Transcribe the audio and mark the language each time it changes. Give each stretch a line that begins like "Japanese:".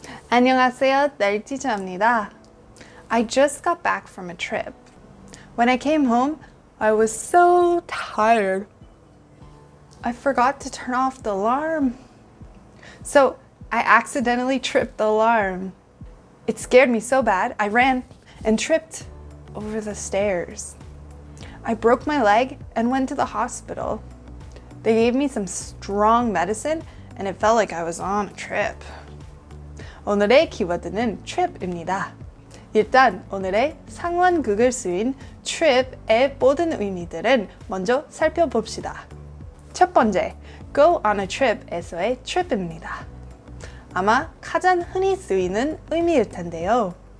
Korean: 안녕하세요, 날 티저입니다.
English: I just got back from a trip. When I came home, I was so tired. I forgot to turn off the alarm. So I accidentally tripped the alarm. It scared me so bad, I ran and tripped over the stairs. I broke my leg and went to the hospital. They gave me some strong medicine, and it felt like I was on a trip.
Korean: 오늘의 키워드는 trip입니다. 일단 오늘의 상관극을 쓰인 trip의 모든 의미들은 먼저 살펴봅시다. 첫 번째, go on a trip에서의 trip입니다. 아마 가장 흔히 쓰이는 의미일 텐데요.